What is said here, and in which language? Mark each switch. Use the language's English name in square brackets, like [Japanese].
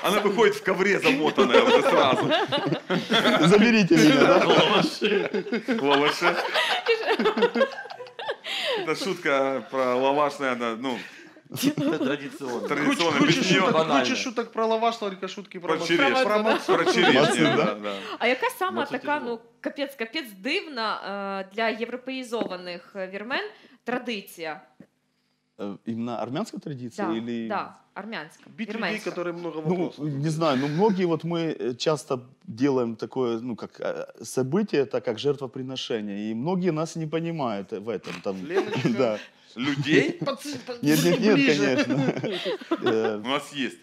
[Russian] Она выходит в ковре замотанная уже сразу. Заберите меня, да? Лаваши. Это шутка про лаваш, наверное, ну... Традиционно. Куча шуток про лаваш, только шутки про черешню. Про черешню, да. [Ukrainian] А яка сама така, ну, капець-капець дивна для європеїзованих вірмен традиція? [Russian] Іменно армянська традиція? [Ukrainian] Так, [Russian] так. Армянская. Бить людей, которые много вопросов. Ну, не знаю, но многие, вот мы часто делаем такое, ну, как событие, так как жертвоприношение, и многие нас не понимают в этом. Там, да. Людей? Нет, нет, нет, конечно. У нас есть.